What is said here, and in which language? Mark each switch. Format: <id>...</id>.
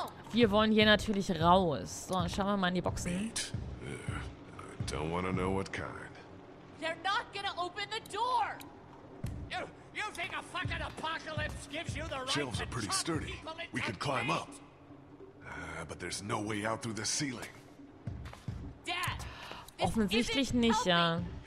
<de>Wir wollen hier natürlich raus. So, schauen wir mal in die Boxen.</de> <en>Don't want to know what kind. They're not gonna open the door. You think a fucking apocalypse gives you the right? Shelves are pretty sturdy. We could climb up. But there's no way out through the ceiling.</en> <de>Dad, offensichtlich nicht, ja.</de>